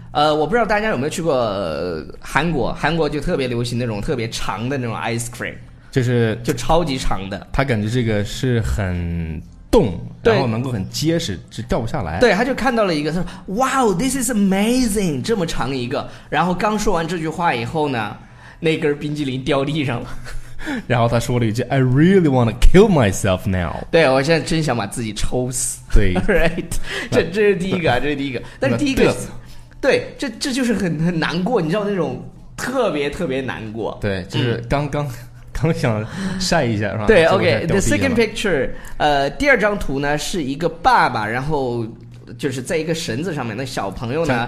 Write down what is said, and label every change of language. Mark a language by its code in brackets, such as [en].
[zh] 我不知道大家有没有去过韩国，韩国就特别流行那种特别长的那种 ice cream, 就超级长的。他感觉这个是很冻，然后能够很结实，就掉不下来。对，他就看到了一个，他说 ： [en] “Wow, this is amazing！” [zh] 这么长一个，然后刚说完这句话以后呢，那根冰激凌掉地上了。然后他说了一句 [en] I really want to kill myself now. [zh] 对，我现在真想把自己抽死。对 right, 这是第一个，这是第一个。但是第一个是 对这就是很难过，你知道那种特别特别难过。对，就是刚想晒一下是吧？对 [en] OK, the second picture, [zh] 第二张图呢是一个爸爸，然后就是在一个绳子上面，那小朋友呢